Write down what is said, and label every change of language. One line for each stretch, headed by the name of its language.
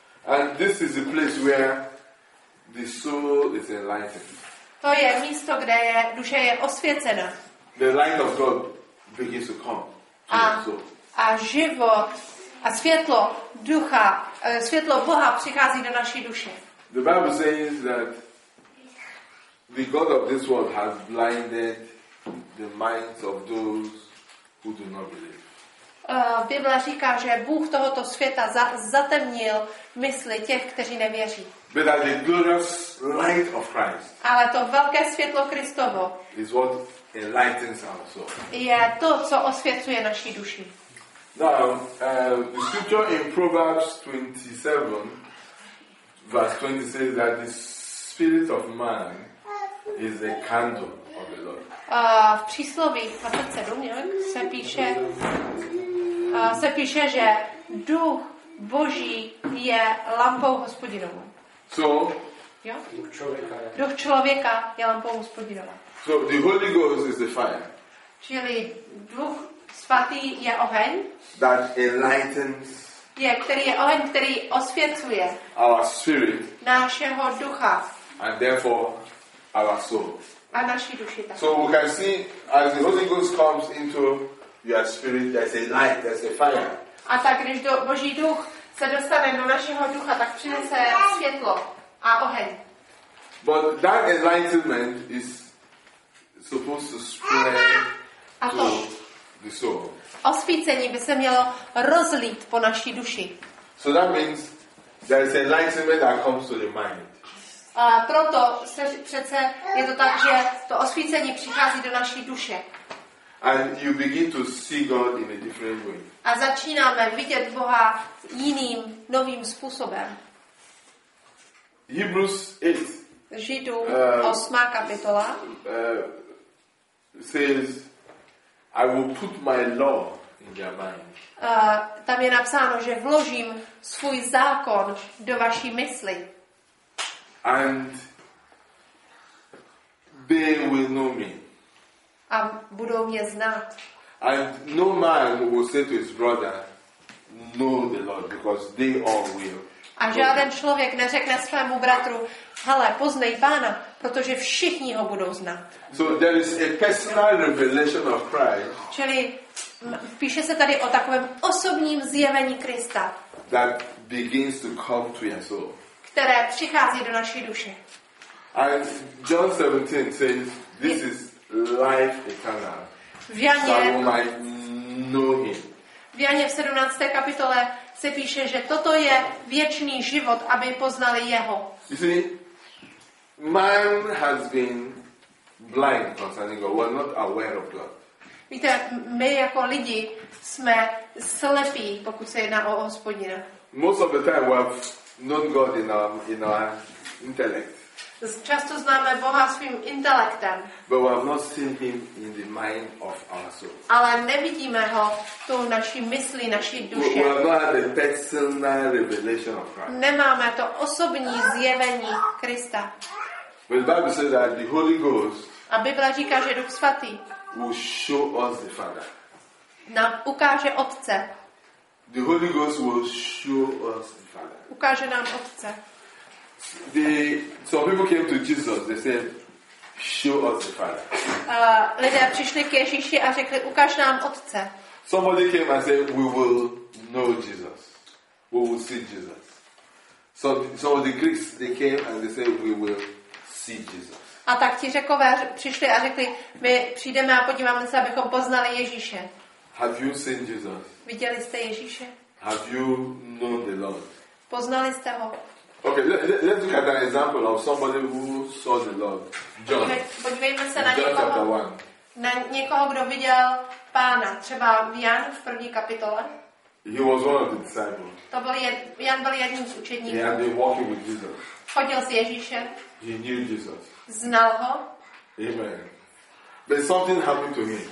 English: And this is the place where the soul is enlightened.
Czech: To je místo, kde je duše je osvěcena.
English: The light of God begins to come to the soul.
Czech: A život a světlo ducha, světlo Boha přichází do naší duše.
English: The Bible says that the God of this world has blinded the minds of those who do not believe.
Czech: Bible říká, že Bůh tohoto světa zatemnil mysli těch, kteří nevěří.
English: But the glorious light of Christ.
Czech: Ale to velké světlo Kristovo
English: is what enlightens our soul.
Czech: Je to, co osvěcuje naši duši.
English: Now, the scripture in Proverbs 27, verse 20 says that the spirit of man is a candle of the Lord.
Czech: V přísloví 27 nějak se píše. Se píše, že duch Boží je lampou Hospodinovou.
English: So,
Czech: duch člověka je lampou Hospodinova.
English: So the Holy Ghost is the fire.
Czech: Čili duch svatý je oheň.
English: That enlightens.
Czech: Je, který je oheň, který osvěcuje.
English: Our spirit.
Czech: Našeho ducha.
English: And therefore our soul.
Czech: A naši duši také.
English: So we can see as the Holy Ghost comes into your spirit, there's a light, there's a fire.
Czech: A tak, když Boží duch se dostane do našeho ducha, tak přinese světlo a oheň.
English: But that enlightenment is supposed to spread to the soul.
Czech: Osvícení by se mělo rozlít po naší duši.
English: So that means there is enlightenment that comes to the mind.
Czech: A proto se přece je to tak, že to osvícení přichází do naší duše.
English: And you begin to see God in a different way.
Czech: A začínáme vidět Boha jiným, novým způsobem.
English: Hebrews 8.
Czech: Židům 8. kapitola.
English: Says, I will put my law in your mind.
Czech: Tam je napsáno, že vložím svůj zákon do vaší mysli.
English: And they will know me.
Czech: A budou mě znát.
English: And no man will say to his brother, know the Lord, because they all will.
Czech: A žádný člověk neřekne svému bratru, hele, poznej Pána, protože všichni ho budou znát.
English: So there is a personal revelation of Christ.
Czech: Čili píše se tady o takovém osobním zjevení Krista.
English: That begins to come to your soul.
Czech: Které přichází do naší duše.
English: And John 17 says, This is life eternal.
Czech: V Janě,
English: so I might know him.
Czech: V Janě v 17. kapitole se píše, že toto je věčný život, aby poznali jeho.
English: You see, man has been blind concerning God. We're not aware of God.
Czech: Víte, my jako lidi jsme slepí, pokud se jedná o Hospodina.
English: Most of the time we've known God in our intellect.
Czech: Často známe Boha svým intelektem.
English: But we have not seen him in the mind of our soul.
Czech: Ale nevidíme ho tu naší mysli, naší duši.
English: We have not had a personal revelation of Christ.
Czech: Nemáme to osobní zjevení Krista.
English: But the Bible says that the Holy Ghost.
Czech: A Bible říká, že Duch svatý.
English: Will show us the Father.
Czech: Nám ukáže Otce.
English: The Holy Ghost will show us the Father.
Czech: Ukáže nám Otce.
English: Some people came to Jesus. They said, "Show us the Father."
Czech: Lidé přišli k Ježíši a řekli, ukáž nám Otce.
English: Somebody came and said, "We will know Jesus. We will see Jesus." So the Greeks they came and they said, "We will see Jesus."
Czech: A tak ti Řekové přišli a řekli, my přijdeme a podíváme se, abychom poznali Ježíše.
English: Have you seen Jesus?
Czech: Viděli jste Ježíše?
English: Have you known the Lord?
Czech: Poznali jste ho?
English: Okay, let's look at that example of somebody who saw the Lord. John.
Czech: Podívejme se na někoho. Na někoho, kdo viděl Pána, třeba Jan v první kapitole.
English: He was one of the disciples.
Czech: To byl Jan byl jedním z učedníků.
English: He had been walking with Jesus.
Czech: Chodil s Ježíšem.
English: He knew Jesus.
Czech: Znal ho.
English: Amen. But something happened to him.